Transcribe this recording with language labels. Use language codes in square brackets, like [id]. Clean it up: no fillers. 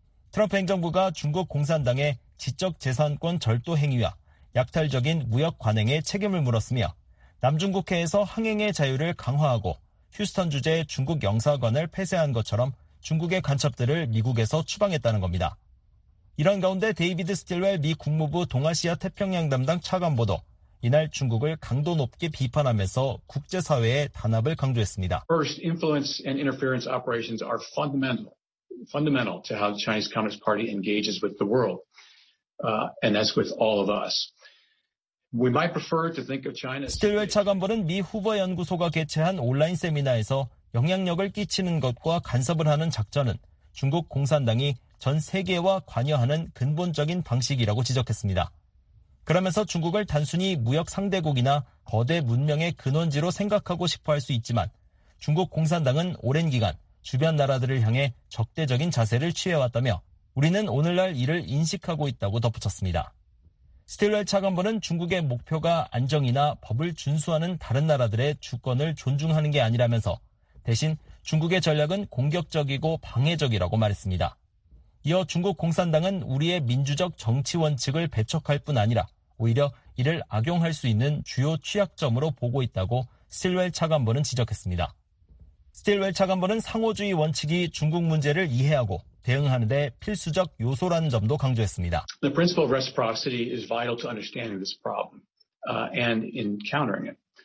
[ko] 트럼프 행정부가 중국 공산당의 지적재산권 절도 행위와 약탈적인 무역 관행에 책임을 물었으며 남중국해에서 항행의 자유를 강화하고 휴스턴 주재 중국 영사관을 폐쇄한 것처럼 중국의 간첩들을 미국에서 추방했다는 겁니다. 이런 가운데 데이비드 스틸웰 미 국무부 동아시아 태평양 담당 차관보도 이날 중국을 강도 높게 비판하면서 국제사회의 단합을 강조했습니다. [en] First, influence and interference operations are fundamental to how the Chinese Communist Party engages with the world, and that's with all of us. We might prefer to think of China. [ko] 스틸웰 차관보는 미 후보 연구소가 개최한 온라인 세미나에서 영향력을 끼치는 것과 간섭을 하는 작전은 중국 공산당이 전 세계와 관여하는 근본적인 방식이라고 지적했습니다. 그러면서 중국을 단순히 무역 상대국이나 거대 문명의 근원지로 생각하고 싶어 할 수 있지만 중국 공산당은 오랜 기간 주변 나라들을 향해 적대적인 자세를 취해왔다며 우리는 오늘날 이를 인식하고 있다고 덧붙였습니다. 스틸러의 차관보는 중국의 목표가 안정이나 법을 준수하는 다른 나라들의 주권을 존중하는 게 아니라면서 대신 중국의 전략은 공격적이고 방해적이라고 말했습니다. 이어 중국 공산당은 우리의 민주적 정치 원칙을 배척할 뿐 아니라 오히려 이를 악용할 수 있는 주요 취약점으로 보고 있다고 스틸웰 차관보는 지적했습니다. 스틸웰 차관보는 상호주의 원칙이 중국 문제를 이해하고 대응하는 데 필수적 요소라는 점도 강조했습니다. [en] The principle of reciprocity is vital to understanding this problem and in countering it.